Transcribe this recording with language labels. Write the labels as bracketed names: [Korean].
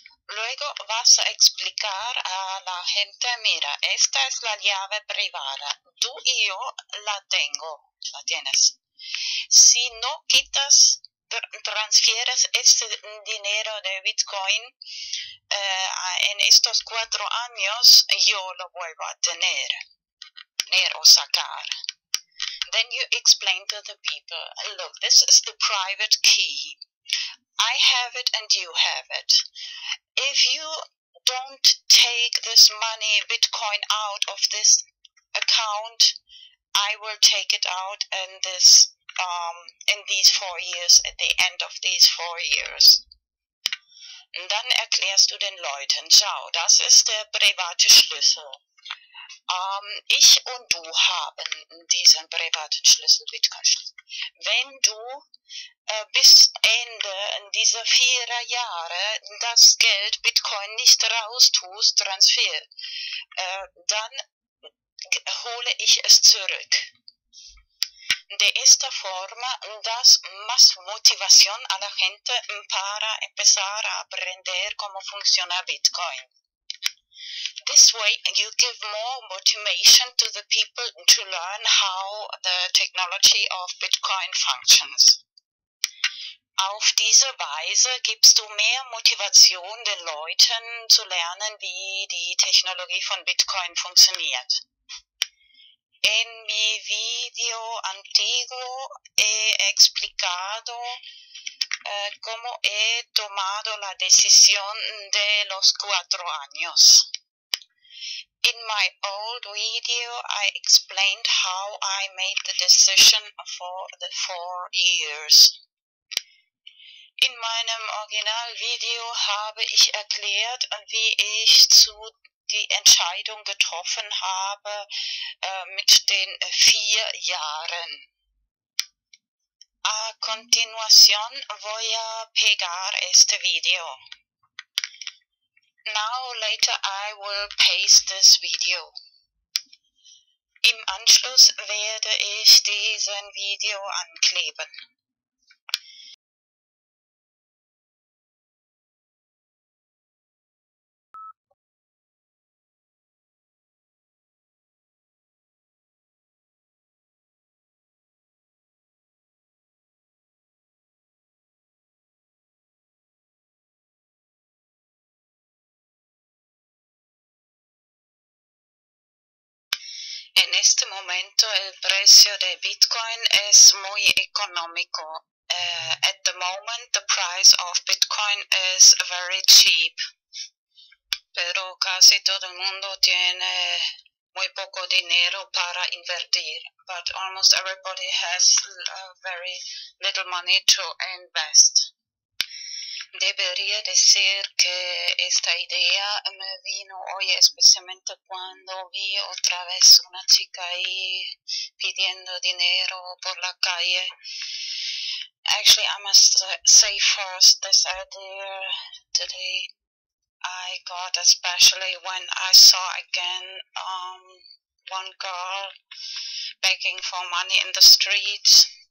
[Spanish] Luego vas a explicar a la gente, mira, esta es la llave privada, tú y yo la tengo, la tienes. Si no quitas, transfieres este dinero de Bitcoin en estos 4 años, yo lo vuelvo a tener o sacar. [English] Then you explain to the people, look, this is the private key. I have it and you have it. If you don't take this money, Bitcoin, out of this account, I will take it out in this, in these 4 years, at the end of these 4 years. [German] Und dann erklärst du den Leuten, schau, das ist der private Schlüssel. Ich und du haben diesen privaten Schlüssel, Bitcoin-Schlüssel. Wenn du bis Ende dieser 4 Jahre das Geld Bitcoin nicht raustust, Transfer, dann hole ich es zurück. [Spanish] De esta forma das más motivación a la gente para empezar a aprender cómo funciona Bitcoin. [English] This way you give more motivation to the people to learn how the technology of Bitcoin functions. [German] Auf diese Weise gibst du mehr Motivation den Leuten zu lernen, wie die Technologie von Bitcoin funktioniert. [Spanish] En mi video antiguo he explicado cómo he tomado la decisión de los 4 años. [English] In my old video, I explained how I made the decision for the 4 years. [German] In meinem Originalvideo habe ich erklärt, wie ich zu die Entscheidung getroffen habe mit den 4 Jahren. [Spanish] A continuación voy a pegar este video. [English] Now later I will paste this video. [German] Im Anschluss werde ich diesen Video ankleben. [Spanish] En este momento el precio de Bitcoin es muy económico. [English] At the moment the price of Bitcoin is very cheap. [Spanish] Pero casi todo el mundo tiene muy poco dinero para invertir. [English] But almost everybody has very little money to invest. [Spanish] Debería decir que esta idea me vino hoy especialmente cuando vi otra vez una chica ahí pidiendo dinero por la calle. [English] Actually, I must say first this idea today I got especially when I saw again one girl begging for money in the streets.